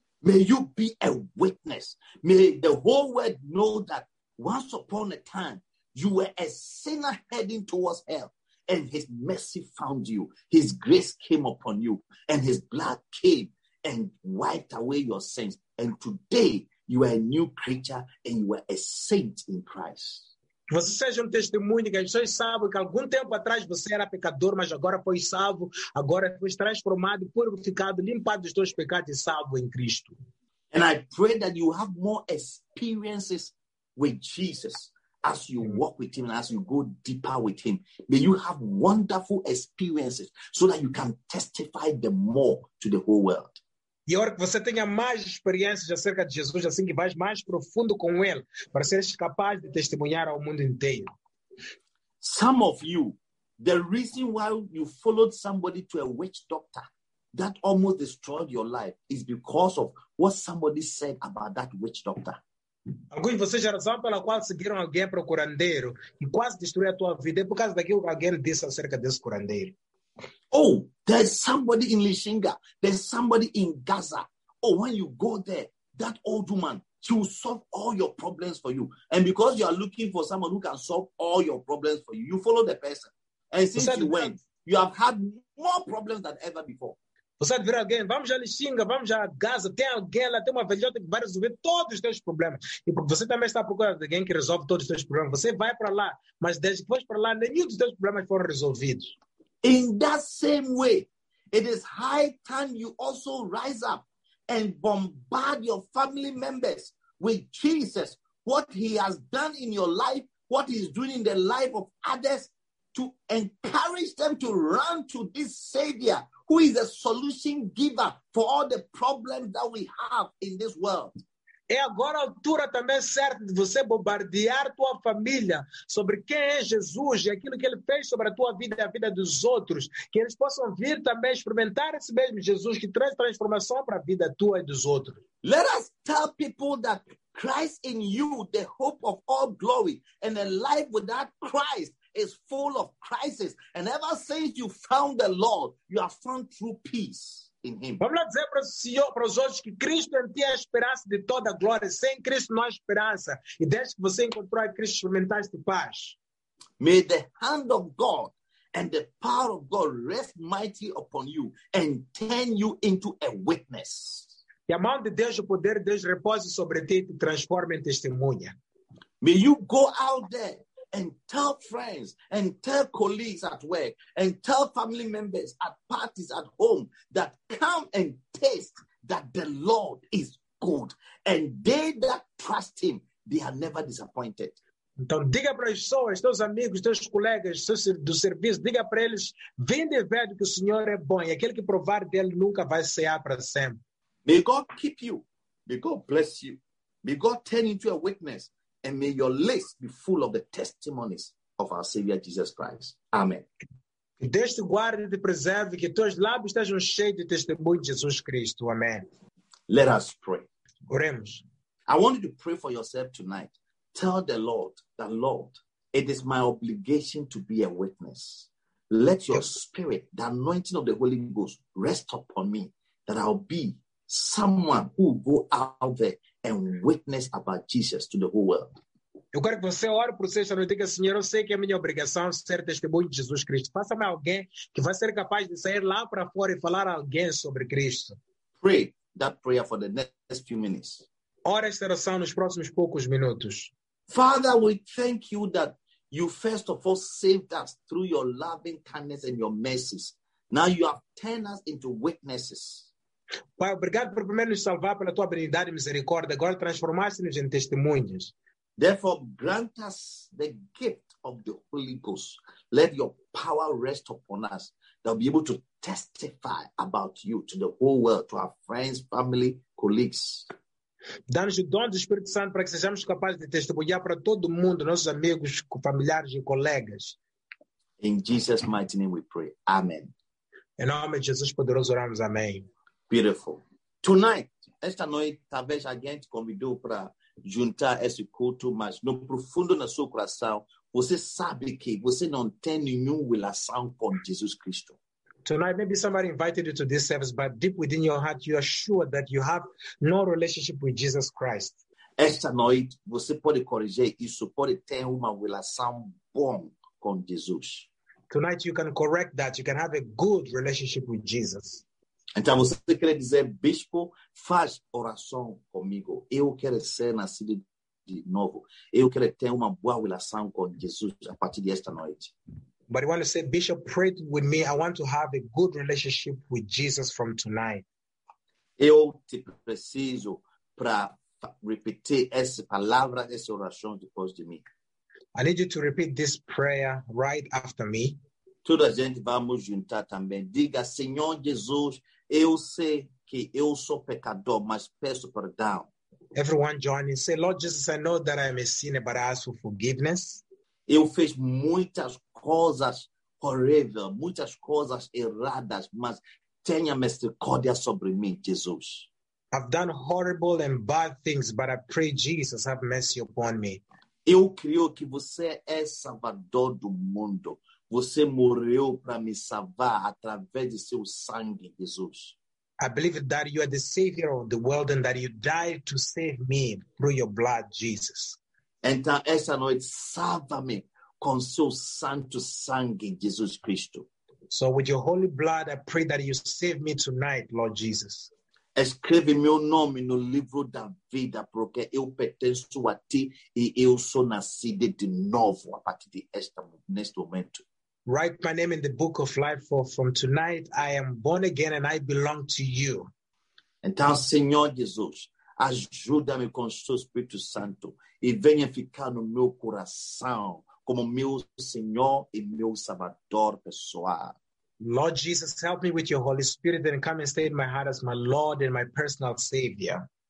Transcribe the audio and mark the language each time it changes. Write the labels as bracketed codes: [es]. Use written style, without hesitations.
[en] May you be a witness. May the whole world know that once upon a time you were a sinner heading towards hell and his mercy found you. His grace came upon you and his blood came and wiped away your sins. And today, you are a new creature and you are a saint in Christ. [pt] Você seja testemunha, que as pessoas sabem que algum tempo atrás você era pecador, mas agora foi salvo, agora foi transformado, purificado, limpado dos teus pecados e salvo em Cristo. [en] And I pray that you have more experiences with Jesus as you walk with him and as you go deeper with him. May you have wonderful experiences so that you can testify them more to the whole world. [pt] E hora que você tenha mais experiências acerca de Jesus, assim que vais mais profundo com ele, para seres capaz de testemunhar ao mundo inteiro. [en] Some of you, the reason why you followed somebody to a witch doctor that almost destroyed your life is because of what somebody said about that witch doctor. [pt] Alguns de vocês, a razão pela qual seguiram alguém para o curandeiro e quase destruiu a tua vida é por causa daquilo que alguém disse acerca desse curandeiro. [en] Oh, there's somebody in Lishinga. There's somebody in Gaza. Oh, when you go there, that old woman, she will solve all your problems for you. And because you are looking for someone who can solve all your problems for you, you follow the person. And since you went, you have had more problems than ever before. [pt] Você vai ver alguém, vamos a Lishinga, vamos a Gaza, tem alguém lá, tem uma velhota que vai resolver todos os teus problemas. E porque você também está procurando alguém que resolve todos os teus problemas. Você vai para lá, mas desde que foi para lá, nenhum dos teus problemas foram resolvidos. [en] In that same way, it is high time you also rise up and bombard your family members with Jesus, what he has done in your life, what he is doing in the life of others, to encourage them to run to this Savior who is a solution giver for all the problems that we have in this world. [pt] É agora a altura também certa de você bombardear tua família sobre quem é Jesus e aquilo que ele fez sobre a tua vida e a vida dos outros. Que eles possam vir também experimentar esse mesmo Jesus que traz transformação para a vida tua e dos outros. [en] Let us tell people that Christ in you, the hope of all glory, and a life without Christ is full of crisis. And ever since you found the Lord, you have found true peace. [pt] Vamos lá dizer para o Senhor, para os outros, que Cristo em ti é a esperança de toda a glória. Sem Cristo não há esperança. E desde que você encontrou a Cristo, experimentaste paz. [en] May the hand of God and the power of God rest mighty upon you and turn you into a witness. [pt] E a mão de Deus, o poder de Deus repose sobre ti e te transforma em testemunha. [en] May you go out there and tell friends, and tell colleagues at work, and tell family members at parties at home that come and taste that the Lord is good. And they that trust him, they are never disappointed. [pt] Então diga para as pessoas, teus amigos, teus colegas do serviço, diga para eles, vinde e vede que o Senhor é bom, e aquele que provar dele nunca vai cear para sempre. [en] May God keep you. May God bless you. May God turn into a witness. And may your list be full of the testimonies of our Savior Jesus Christ. Amen. [pt] Deus te guarde e te preserve, que teus lábios estejam cheios de testemunho de Jesus Cristo. [en] Amen. Let us pray. [pt] Oremos. [en] I want you to pray for yourself tonight. tell the Lord that, Lord, it is my obligation to be a witness. Let your spirit, the anointing of the Holy Ghost, rest upon me, that I'll be someone who will go out there and witness about Jesus to the whole world. [pt] Eu quero que você ore por você esta noite e diga, Senhor, eu sei que é minha obrigação ser testemunho de Jesus Cristo. Faça-me alguém que vai ser capaz de sair lá para fora e falar a alguém sobre Cristo. [en] Pray that prayer for the next few minutes. [pt] Ore esta oração nos próximos poucos minutos. [en] Father, we thank you that you first of all saved us through your loving kindness and your mercies. Now you have turned us into witnesses. [pt] Pai, obrigado por primeiro nos salvar pela tua benignidade e misericórdia. Agora transformaste-nos em testemunhas. [en] Therefore, grant us the gift of the Holy Ghost. Let your power rest upon us, that we'll be able to testify about you to the whole world, to our friends, family, colleagues. [pt] Dá-nos o dom do Espírito Santo para que sejamos capazes de testemunhar para todo mundo, nossos amigos, familiares e colegas. [en] In Jesus' mighty name we pray. Amen. [pt] Em nome de Jesus poderoso oramos. Amém. [en] Beautiful. [pt] Tonight, esta noite, talvez alguém te convidou para juntar esse culto, mas no profundo na sua coração, você sabe que você não tem nenhum relação com Jesus Cristo. [en] Tonight, maybe somebody invited you to this service, but deep within your heart, you are sure that you have no relationship with Jesus Christ. [pt] Esta noite, você pode corrigir isso, pode ter uma relação bom com Jesus. [en] Tonight, you can correct that. You can have a good relationship with Jesus. [pt] Então, você quer dizer, bispo, faz oração comigo. Eu quero ser nascido de novo. Eu quero ter uma boa relação com Jesus a partir desta noite. [en] But you want to say, bishop, pray with me. I want to have a good relationship with Jesus from tonight. [pt] Eu te preciso para repetir essa palavra, essa oração depois de mim. [en] I need you to repeat this prayer right after me. [pt] Toda a gente vamos juntar também. Diga, Senhor Jesus, eu sei que eu sou pecador, mas peço perdão. [en] Everyone joining, say, Lord Jesus, I know that I am a sinner, but I ask for forgiveness. [pt] Eu fiz muitas coisas horríveis, muitas coisas erradas, mas tenha misericórdia sobre mim, Jesus. [en] I've done horrible and bad things, but I pray, Jesus, have mercy upon me. [pt] Eu creio que você é salvador do mundo. Você morreu para me salvar através de seu sangue, Jesus. [en] I believe that you are the savior of the world and that you died to save me through your blood, Jesus. [pt] Então, essa noite, salva-me com seu santo sangue, Jesus Cristo. [en] So with your holy blood, I pray that you save me tonight, Lord Jesus. [pt] Escreve meu nome no livro da vida, porque eu pertenço a ti e eu sou nascido de novo a partir deste momento. [en] Write my name in the book of life, for from tonight I am born again and I belong to you. [pt] Então, Senhor Jesus, ajuda-me com o seu Espírito Santo e venha ficar no meu coração como meu Senhor e meu Salvador pessoal. [en] Lord Jesus, help me with your Holy Spirit and come and stay in my heart as my Lord and my personal Savior.